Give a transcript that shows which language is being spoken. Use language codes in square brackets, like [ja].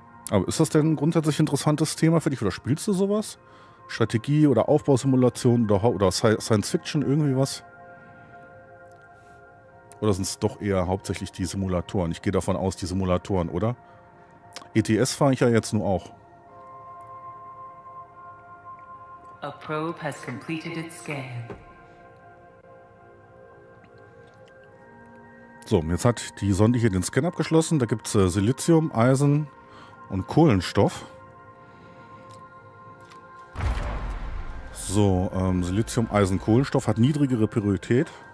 [de] Aber ist das denn ein grundsätzlich interessantes Thema für dich oder spielst du sowas? Strategie oder Aufbausimulation oder Science Fiction, irgendwie was? Oder sind es doch eher hauptsächlich die Simulatoren? Ich gehe davon aus, die Simulatoren, oder? ETS fahre ich ja jetzt nur auch. [en] A probe has completed its scan. [de] So, jetzt hat die Sonde hier den Scan abgeschlossen. Da gibt es Silizium, Eisen und Kohlenstoff. So, Silizium, Eisen, Kohlenstoff hat niedrigere Priorität.